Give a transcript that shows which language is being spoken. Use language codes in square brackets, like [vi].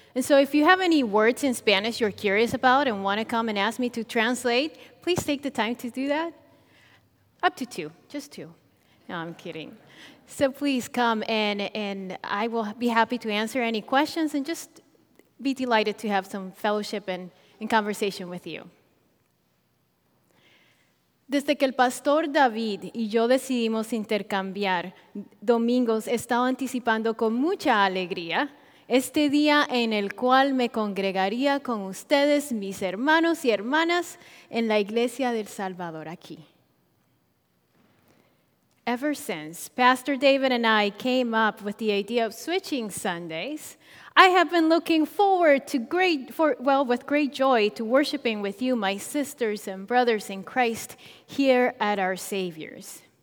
[en] And so if you have any words in Spanish you're curious about and want to come and ask me to translate, please take the time to do that. Up to two, just two. No, I'm kidding. So please come and I will be happy to answer any questions and just be delighted to have some fellowship and in conversation with you. [es] Desde que el pastor David y yo decidimos intercambiar domingos, he estado anticipando con mucha alegría este día en el cual me congregaría con ustedes, mis hermanos y hermanas, en la iglesia del Salvador aquí. [en] Ever since Pastor David and I came up with the idea of switching Sundays, I have been looking forward to great joy to worshiping with you, my sisters and brothers in Christ, here at our Savior's.